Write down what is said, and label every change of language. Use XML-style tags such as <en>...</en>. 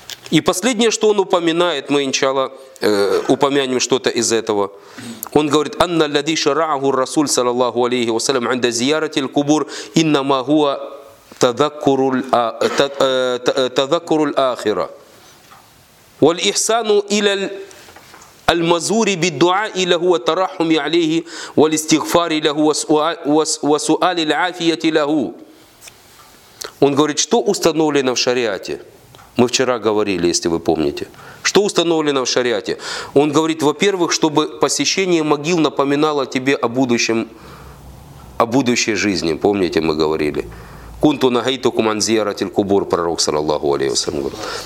<ru>И последнее, что он упоминает, мы иншалла упомянем что-то из этого. Он говорит:</ru> <ar>«Анна ляди шараху Расуль саллаллаху алейхи ва саллям инда зияратиль кубур инна ма хуа тадаккуруль ахира». والإحسان إلى المزور بالدعاء له والترحم عليه والاستغفار له وسؤال العافية له.</ar> <ru>Он говорит, что установлено в шариате? Мы вчера говорили, если вы помните. Что установлено в шариате? Он говорит, во-первых, чтобы посещение могил напоминало тебе о будущем, о будущей жизни. Помните, мы говорили.</ru> <ar>Кунту нагайтукум ан зиаратиль кубур,</ar> <ru>пророк саллаллаху алейхи ва саллям говорит.</ru>